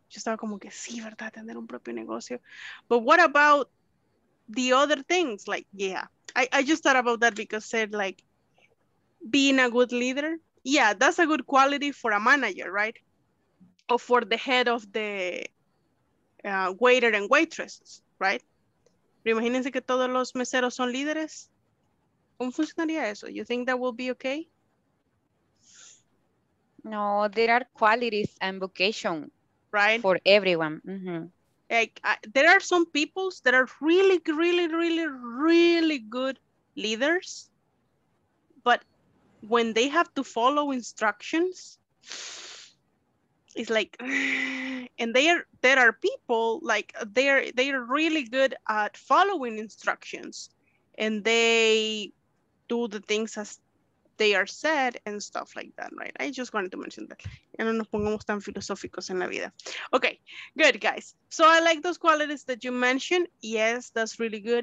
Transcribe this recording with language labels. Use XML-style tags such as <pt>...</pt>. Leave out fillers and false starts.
<es>Yo estaba como que sí, ¿verdad? Tener un propio negocio.</es> <en>But what about the other things? Like, yeah. I just thought about that because said, like, being a good leader. Yeah, that's a good quality for a manager, right? Or for the head of the waiter and waitresses, right?</en> <es>Pero imagínense que todos los meseros son líderes. ¿Cómo funcionaría eso?</es> <en>You think that will be okay? No, there are qualities and vocation, right? For everyone. Mm-hmm. Like, there are some peoples that are really, really, really, really good leaders. But when they have to follow instructions, it's like, and there are people like they're really good at following instructions and they do the things as they are said and stuff like that, right? I just wanted to mention that.</en> <es>Ya no nos pongamos tan filosóficos en la vida.</es> <en>Okay, good guys. So I like those qualities that you mentioned. Yes, that's really good.</en>